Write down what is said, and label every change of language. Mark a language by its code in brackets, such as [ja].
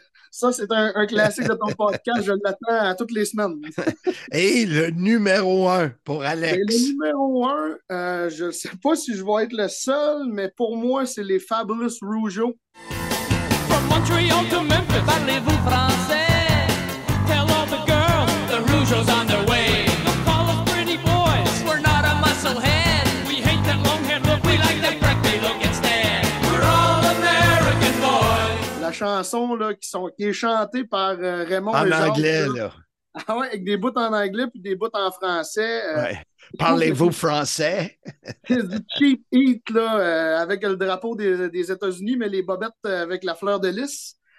[fr] Ça, c'est un classique de ton podcast. Je l'attends à toutes les semaines. Et le numéro un pour Alex. Et le numéro un, je ne sais pas si je vais être le seul, mais pour moi, c'est les Fabulous Rougeaux. [en] From Montreal to Memphis, [fr] parlez-vous français? [en] Tell all the girls, the Rougeaux's on their way. The call of pretty boys, we're not a muscle head. We hate that long hair look, we like that crackly look instead. [fr] La chanson là, qui est chantée par Raymond en Jean, anglais, là. Ah ouais, avec des bouts en anglais puis des bouts en français. Ouais. Parlez-vous français? C'est du cheap heat, là, avec le drapeau des États-Unis, mais les bobettes avec la fleur de lys.